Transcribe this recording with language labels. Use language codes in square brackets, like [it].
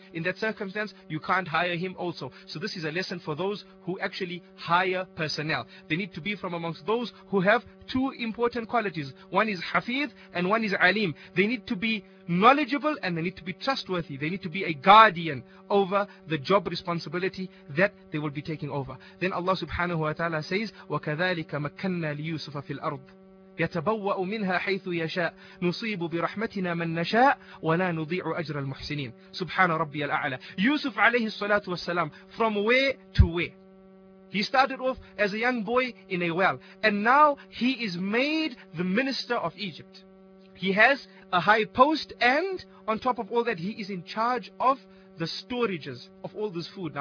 [en] In that circumstance, you can't hire him also. So this is a lesson for those who actually hire personnel. They need to be from amongst those who have two important qualities. One is hafiz and one is alim. They need to be knowledgeable and they need to be trustworthy. They need to be a guardian over the job responsibility that they will be taking over. Then Allah subhanahu wa ta'ala says, [ar] وَكَذَلِكَ مَكَّنَّا لِيُوسُفَ فِي الْأَرْضِ يَتَبَوَّأُ مِنْهَا حَيْثُ يَشَاءُ نُصِيبُ بِرَحْمَتِنَا مَنْ نَشَاءُ وَلَا نُضِيعُ أَجْرَ الْمُحْسِنِينَ سُبْحَانَ رَبِّيَ الْأَعْلَى. [en] Yusuf alayhi salatu wasalam, from where to where? He started off as a young boy in a well, and now he is made the minister of Egypt. He has a high post, and on top of all that, he is in charge of the storages of all this food.